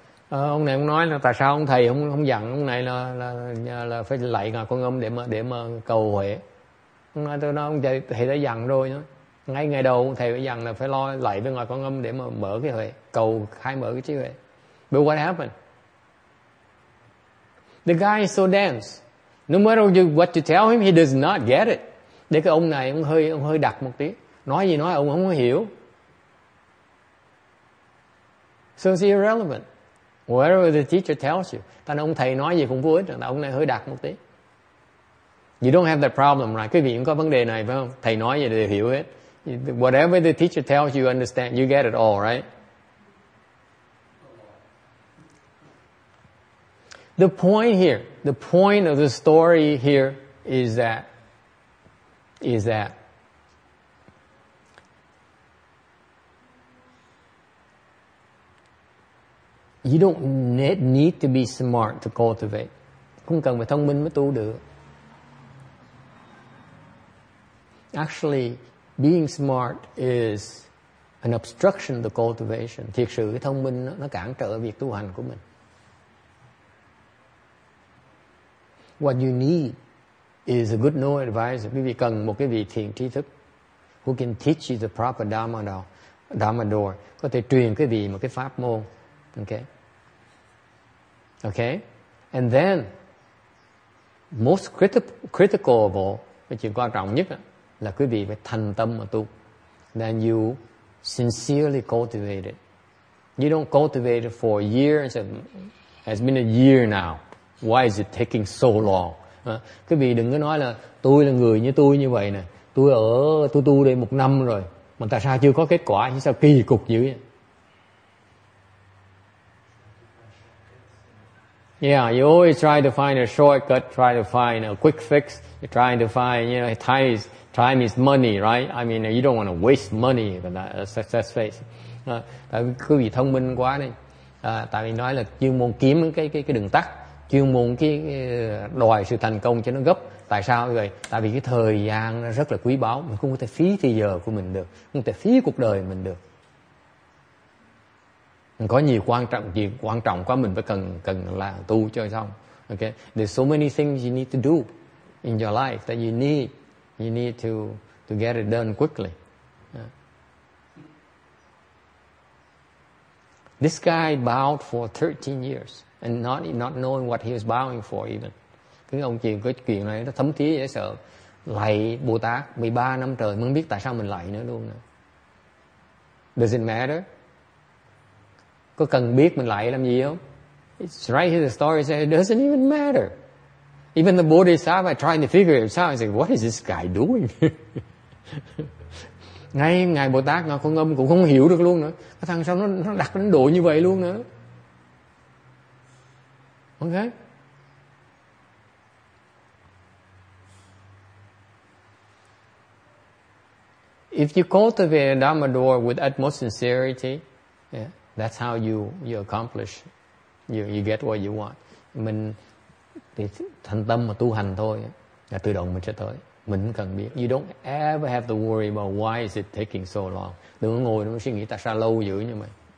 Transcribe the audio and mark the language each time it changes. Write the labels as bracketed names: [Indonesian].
[Vietnamese] Ông này ông nói là tại sao ông thầy không dặn ông này là phải lạy Ngài Quan Âm để mà cầu huệ. Ông nói tôi nói ông thầy đã dặn rồi nữa. Ngay ngày đầu thầy đã dặn là phải lo lạy với Ngài Quan Âm để mà mở cái huệ, cầu khai mở cái trí huệ. [English] But what happened? The guy is so dense. No matter what you tell him, he does not get it. [Vietnamese] Để cái ông này ông hơi đặc một tí. Nói gì nói ông không có hiểu. [English] So it's irrelevant. Whatever the teacher tells you. [Vietnamese] Tại ông thầy nói gì cũng vô ích. Tại ông này hơi đặc một tí. [English] You don't have that problem, right? [Vietnamese] Quý vị cũng có vấn đề này, phải không? Thầy nói gì thì hiểu hết. [English] Whatever the teacher tells you, understand. You get it all, right? The point here, the point of the story here is that you don't need to be smart to cultivate. [Vietnamese] Không cần phải thông minh mới tu được. [English] Actually, being smart is an obstruction to cultivation. [Vietnamese] Thiệt sự cái thông minh nó cản trở việc tu hành của mình. [English] What you need is a good know advisor. [Vietnamese] Quý vị cần một cái vị thiền tri thức [English] who can teach you the proper dhammador, [Vietnamese] có thể truyền cái vị một cái pháp môn. Okay? Okay? [English] And then, most critical of all, [Vietnamese] cái chuyện quan trọng nhất là quý vị phải thành tâm mà tu. [English] Then you sincerely cultivate it. You don't cultivate it for a year and say, it's been a year now. Why is it taking so long? [Vietnamese] Quý vị đừng có nói là tôi là người như tôi như vậy nè. Tôi tu đây một năm rồi. Mà tại sao chưa có kết quả? Sao kỳ cục dữ vậy? [English] Yeah, you always try to find a shortcut, try to find a quick fix. You're trying to find, you know, time is money, right? I mean, you don't want to waste money with that success phase. [Vietnamese] Tại vì quý vị thông minh quá đi. Tại vì nói là chuyên môn kiếm cái đường tắt. Chuyên môn cái đòi sự thành công cho nó gấp. Tại sao vậy? Tại vì cái thời gian nó rất là quý báu. Mình không có thể phí thời giờ của mình được. Không thể phí cuộc đời mình được. Có nhiều quan trọng quá mình phải cần là tu cho xong. [English] Okay? There's so many things you need to do in your life that you need to get it done quickly. This guy bowed for 13 years. And not knowing what he was bowing for even. [Vietnamese] Cái ông chuyện cái chuyện này nó thấm thía dễ sợ. Lạy Bồ Tát 13 năm trời mới biết tại sao mình lạy nữa luôn. [English] Does it matter? [Vietnamese] Có cần biết mình lạy làm gì không? [English] It's right here the story says it doesn't even matter. Even the Bodhisattva trying to figure it out. He's like, what is this guy doing? [Vietnamese] Ngay Ngài Bồ Tát Ngài Quan Âm cũng không hiểu được luôn nữa. Cái thằng sao nó đặt đến độ như vậy luôn nữa. [English] Okay. If you cultivate a Dhamma door with utmost sincerity, yeah, that's how you accomplish. You get what you want. [Vietnamese] Mình thì thành tâm mà tu hành thôi, là tự động mình sẽ tới. Mình không cần biết. [English] You don't ever have to worry about why is it taking so long. [Vietnamese] Đừng có ngồi đừng có suy nghĩ tại sao lâu dữ như vậy.